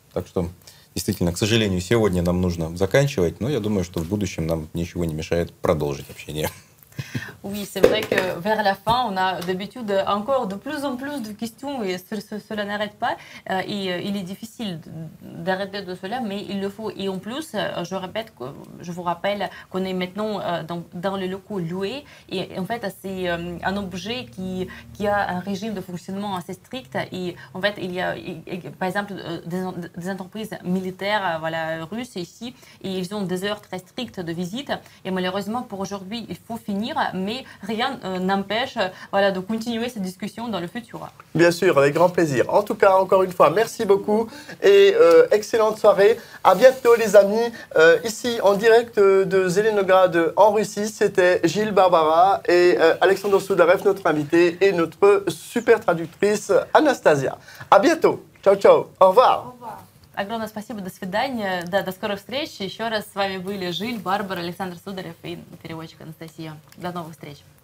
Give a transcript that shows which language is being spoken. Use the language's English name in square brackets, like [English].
[Russian] Так что действительно, к сожалению, сегодня нам нужно заканчивать, но я думаю, что в будущем нам ничего не мешает продолжить общение. [French] Oui, c'est vrai que vers la fin, on a d'habitude encore de plus en plus de questions et cela n'arrête pas. Et il est difficile d'arrêter de cela, mais il le faut. Et en plus, je répète, je vous rappelle qu'on est maintenant dans les locaux loués. Et en fait, c'est un objet qui a un régime de fonctionnement assez strict. Et en fait, il y a, par exemple, des entreprises militaires voilà, russes ici, et ils ont des heures très strictes de visite. Et malheureusement, pour aujourd'hui, il faut finir. Mais rien n'empêche voilà, de continuer cette discussion dans le futur. Bien sûr, avec grand plaisir. En tout cas, encore une fois, merci beaucoup et excellente soirée. À bientôt, les amis. Ici, en direct de Zelenograd, en Russie, c'était Gilles Barbara et Alexandre Soudarev, notre invité, et notre super traductrice, Anastasia. À bientôt. Ciao, ciao. Au revoir. Au revoir. [Russian] Огромное спасибо, до свидания, да, до скорых встреч. Еще раз с вами были Жиль, Барбара, Александр Сударев и переводчик Анастасия. До новых встреч.